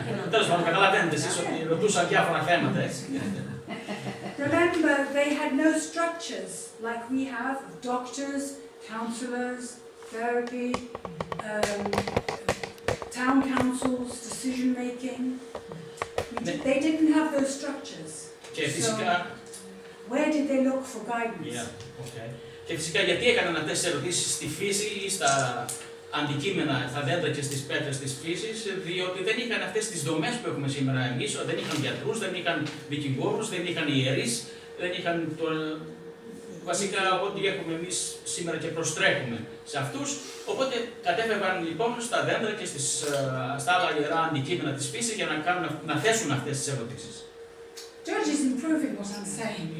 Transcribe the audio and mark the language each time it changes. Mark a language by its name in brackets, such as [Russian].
[Greek] Τέλος πάντων, καταλαβαίνετε εσείς ότι ρωτούσαν διάφορα θέματα, έτσι. [English] Remember, they had no structures like we have, doctors, counselors, therapy, town councils, decision making. They didn't have those structures. [Greek] Φυσικά, [English] so where did they look for guidance? Yeah, okay. [Greek] Και φυσικά, γιατί έκαναν αυτές τις ερωτήσεις στη φύση ή στα αντικείμενα, στα δέντρα και στις πέτρες της φύσης, διότι δεν είχαν αυτές τις δομές που έχουμε σήμερα εμείς, δεν είχαν γιατρούς, δεν είχαν δικηγόρους, δεν είχαν ιερείς, δεν είχαν το, βασικά ό,τι έχουμε εμείς σήμερα και προστρέχουμε σε αυτούς. Οπότε κατέβευαν λοιπόν στα δέντρα και στα άλλα ιερά αντικείμενα της φύσης για να θέσουν αυτές τις ερωτήσεις. [English] George is improving what I'm saying.